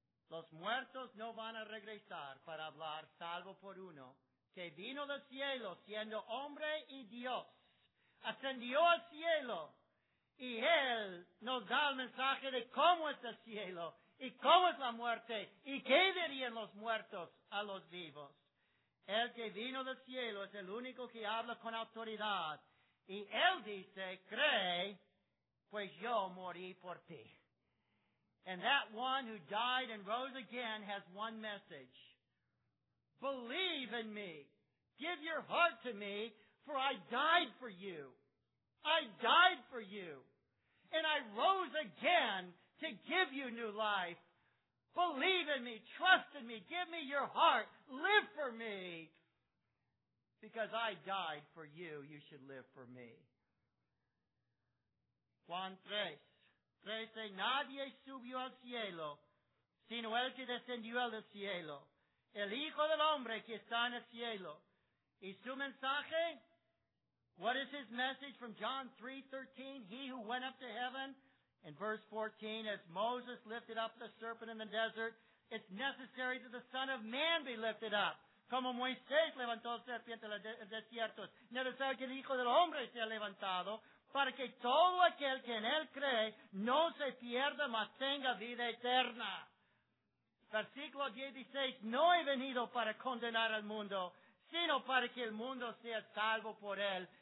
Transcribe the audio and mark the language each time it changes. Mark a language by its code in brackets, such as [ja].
[es] Los muertos no van a regresar para hablar salvo por uno, que vino del cielo siendo hombre y Dios, ascendió al cielo, y Él nos da el mensaje de cómo es el cielo, y cómo es la muerte, y qué dirían los muertos a los vivos. El que vino del cielo es el único que habla con autoridad, y Él dice, cree, pues yo morí por ti. [en] And that one who died and rose again has one message. Believe in me. Give your heart to me, for I died for you. I died for you, and I rose again to give you new life. Believe in me, trust in me, give me your heart, live for me, because I died for you, you should live for me. [es] Juan 3:13, nadie subió al cielo, sino el que descendió al cielo, el Hijo del Hombre que está en el cielo. ¿Y su mensaje? [en] What is his message from John 3:13? He who went up to heaven, in verse 14, as Moses lifted up the serpent in the desert, it's necessary that the Son of Man be lifted up. [es] Como Moisés levantó la serpiente en el desierto, es necesario que el Hijo del Hombre sea levantado, para que todo aquel que en él cree no se pierda, mas tenga vida eterna. Versículo 16, no he venido para condenar al mundo, sino para que el mundo sea salvo por él.